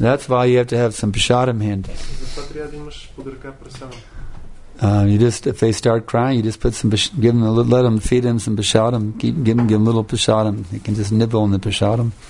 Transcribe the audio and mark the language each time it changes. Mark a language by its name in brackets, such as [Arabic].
[English] That's why you have to have some pisharam handy. [Bulgarian] Затова трябва да имаш под ръка прасана. [English] If they start crying, you just put some, give them a little, let them feed them some pishadam, give them a little pishadam. They can just nibble on the pishadam.